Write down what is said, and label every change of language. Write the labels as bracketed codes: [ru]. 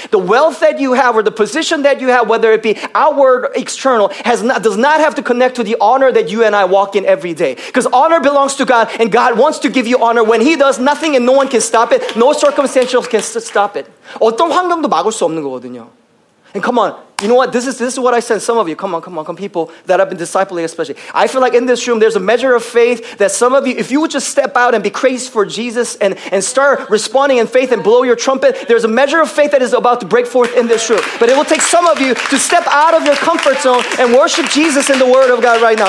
[en] The wealth that you have or the position that you have, whether it be outward or external, does not have to connect to the honor that you and I walk in every day. Because honor belongs to God and God wants to give you honor. When he does, nothing and no one can stop it. No circumstantials can stop it. [ko] 어떤 환경도 막을 수 없는 거거든요. [en] And come on, you know what? This is what I sent some of you. Come on, people that I've been discipling especially. I feel like in this room, there's a measure of faith that some of you, if you would just step out and be crazy for Jesus and start responding in faith and blow your trumpet, there's a measure of faith that is about to break forth in this room. But it will take some of you to step out of your comfort zone and worship Jesus in the Word of God right now.